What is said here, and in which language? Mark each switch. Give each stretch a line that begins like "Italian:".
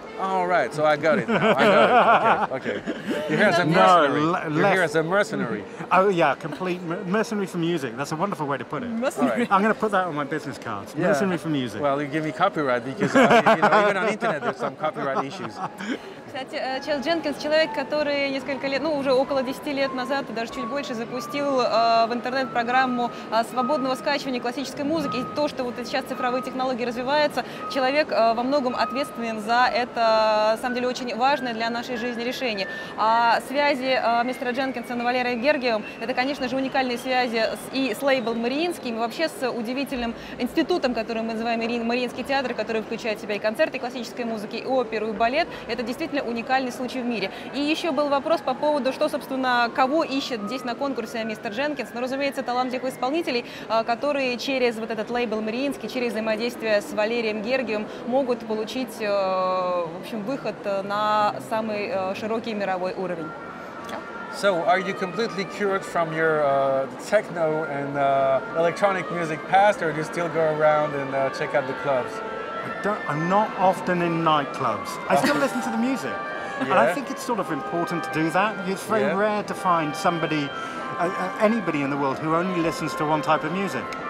English: All right, so I got it. Okay. You're here as a mercenary. Oh yeah, complete mercenary for music. That's a wonderful way to put it. Mercenary. Right. I'm going to put that on my business cards. Yeah. Mercenary for music. Well, you give me copyright because even on the internet there's some copyright issues.
Russian: Кстати, Чел Дженкинс, человек, который несколько лет, ну, уже около 10 лет назад, даже чуть больше, запустил в интернет программу свободного скачивания классической музыки, и то, что вот сейчас цифровые технологии развиваются, человек во многом ответственен за это, на самом деле, очень важное для нашей жизни решение. А связи мистера Дженкинса и Валерием Гергиевым, это, конечно же, уникальные связи и с лейблом Мариинским, и вообще с удивительным институтом, который мы называем Мариинский театр, который включает в себя и концерты классической музыки, и оперу, и балет, это действительно уникальный случай в мире. И еще был вопрос по поводу, что, собственно, кого ищет здесь на конкурсе мистер Дженкинс. Ну, разумеется, талантливых исполнителей, которые через вот этот лейбл Мариинский, через взаимодействие с Валерием Гергиевым могут получить, в общем, выход на самый широкий мировой уровень.
English: So, are you completely cured from your techno and electronic music past, or do you still go around and check out the clubs? I'm not often in nightclubs. I still listen to the music. Yeah. And I think it's sort of important to do that. It's very rare to find somebody, anybody in the world who only listens to one type of music.